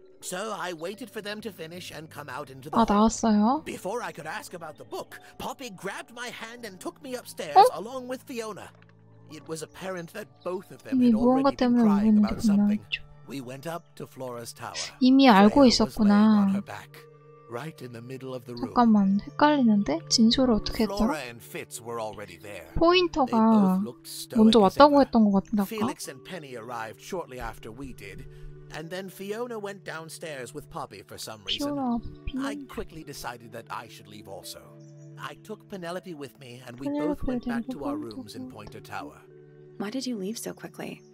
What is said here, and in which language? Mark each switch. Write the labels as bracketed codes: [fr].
[en] So I waited for them to finish and come out into the hall. [ko] 아, 나왔어요? [en] Before I could ask about the book, Poppy grabbed my hand and took me upstairs along with Fiona. It was apparent that both of them had already been crying about something. We went up to Flora's tower. [ko] 이미 알고 있었구나. [en] Right in the middle of the room. [ko] 잠깐만, 헷갈리는데 진술을 어떻게 했더라? [en] Flora and Fitz were already there. [ko] 포인터가 먼저 왔다고 했던 것 같은데 아까? [en] Felix and Penny arrived shortly after we did, and then Fiona went downstairs with Poppy for some reason. I quickly decided that I should leave also. I took Penelope with me, and we both went back to our rooms in Pointer Tower. Why did you leave so quickly?